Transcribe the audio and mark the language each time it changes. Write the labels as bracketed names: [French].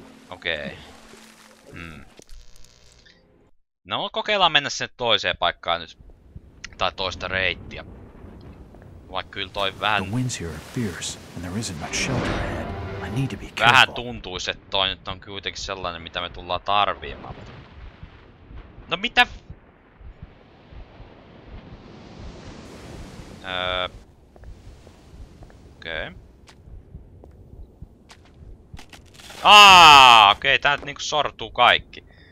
[Finnish] Okei. Okay. No kokeillaan mennä sen toiseen paikkaan nyt. Tai toista reittiä. Vaikka kyllä toi vähän... [English] The winds here are fierce, and there isn't much shelter ahead. I need to be careful. [Finnish] Vähän tuntuis, et toi nyt on kuitenkin sellainen, mitä me tullaan tarviimaan. No mitä? Okei. Okay. Okei, okay, tää nyt niinku sortuu kaikki.